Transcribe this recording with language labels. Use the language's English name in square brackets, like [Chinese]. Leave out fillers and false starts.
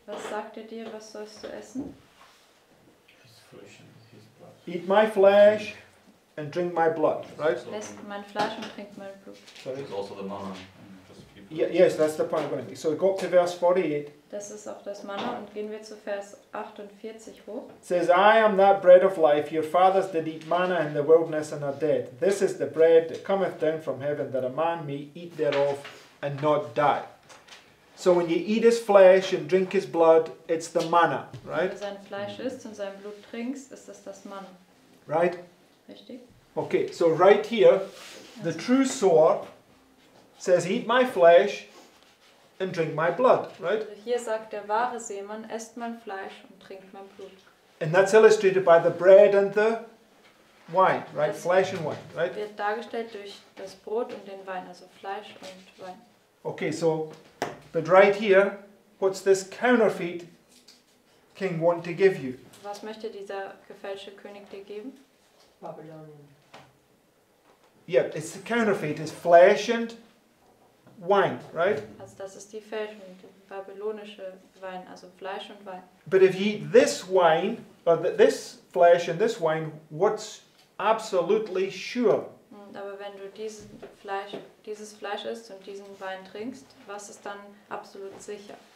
[German] Was sagt er dir, was sollst du essen? [English] His flesh and his blood. Eat my flesh and drink my blood, right? [German] Ess mein Fleisch und trink mein Blut. [English] Sorry. It's also the manna. Yes, that's the point I'm going to make. So we go up to verse 48. [German] Das ist auch das Manna, und gehen wir zu Vers 48 hoch. [English] It says, I am that bread of life. Your fathers did eat manna in the wilderness and are dead. This is the bread that cometh down from heaven, that a man may eat thereof and not die. So when you eat his flesh and drink his blood, it's the manna, right? [German] Wenn du sein Fleisch isst und sein Blut trinkst, ist das das Manna. [English] Right? [German] Richtig. [English] Okay, so right here, the true sower says, eat my flesh and drink my blood, right? [German] Hier sagt der wahre Seemann, esst mein Fleisch und trinkt mein Blut. [English] And that's illustrated by the bread and the wine, right? Flesh and wine, right? [German] Wird dargestellt durch das Brot und den Wein, also Fleisch und Wein. [English] Okay, so, but right here, what's this counterfeit king want to give you? [German] Was möchte dieser gefälschte König dir geben? [English] Babylonian. Yeah, it's the counterfeit, it's flesh and wine, right? [German] Also das ist die Fälschung, die babylonische Wein, also Fleisch und Wein. [English] But if you eat this wine, or this flesh and this wine, what's absolutely sure? [German] Aber wenn du dieses Fleisch isst und diesen Wein trinkst, was ist dann absolut sicher?